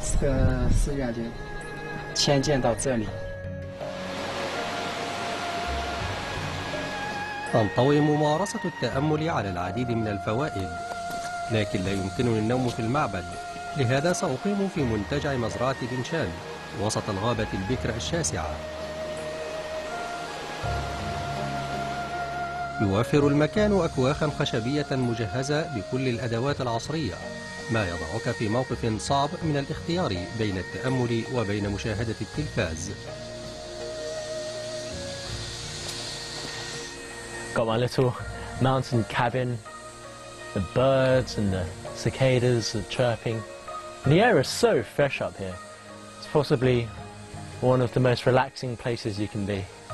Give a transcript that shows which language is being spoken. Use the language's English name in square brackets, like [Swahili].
[Chinese] 山下也一直有个传说，说这个云端上有一座寺庙，金光闪闪，经常有这个仙乐佛乐，民出来，因此呢，后来在88年，他们当地很多信徒自发组织，把这个寺院就迁建到这里。 [Arabic] تنطوي ممارسة التأمل على العديد من الفوائد، لكن لا يمكنني النوم في المعبد، لهذا سأقيم في منتجع مزرعة بينشان وسط الغابة البكر الشاسعة. يوفر المكان أكواخا خشبية مجهزة بكل الأدوات العصرية، ما يضعك في موقف صعب من الاختيار بين التأمل وبين مشاهدة التلفاز. [English] Got my little mountain cabin, the birds and the cicadas are chirping. And the air is so fresh up here. It's possibly one of the most relaxing places you can be.